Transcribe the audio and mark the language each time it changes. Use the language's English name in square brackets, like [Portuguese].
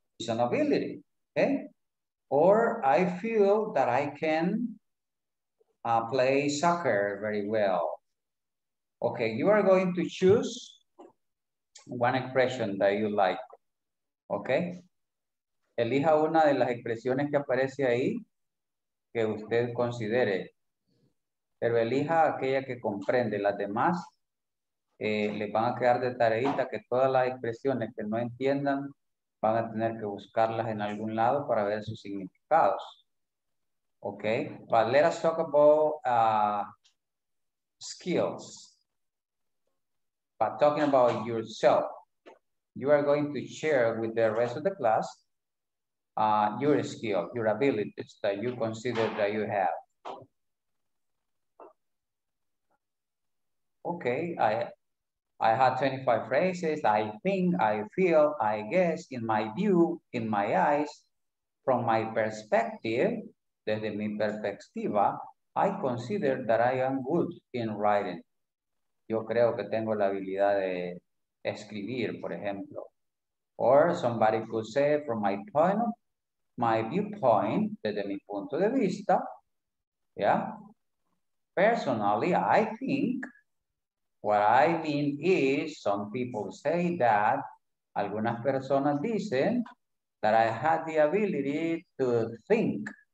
[English] It's an ability, okay? Or I feel that I can play soccer very well. Okay, you are going to choose one expression that you like, okay? [Spanish] Elija una de las expresiones que aparece ahí que usted considere. Pero elija aquella que comprende. Las demás les van a quedar de tareita que todas las expresiones que no entiendan van a tener que buscarlas en algún lado para ver sus significados. [English] Okay, but let us talk about skills. But talking about yourself, you are going to share with the rest of the class your skill, your abilities that you consider that you have. Okay, I have 25 phrases. I think, I feel, I guess, in my view, in my eyes, from my perspective, [Spanish] desde mi perspectiva, [English] I consider that I am good in writing. [Spanish] Yo creo que tengo la habilidad de escribir, por ejemplo. [English] Or somebody could say, from my point of my viewpoint, [Spanish] desde mi punto de vista, [English] yeah, personally, I think, what I mean is, some people say that, [Spanish] algunas personas dicen, [English] that I had the ability to think.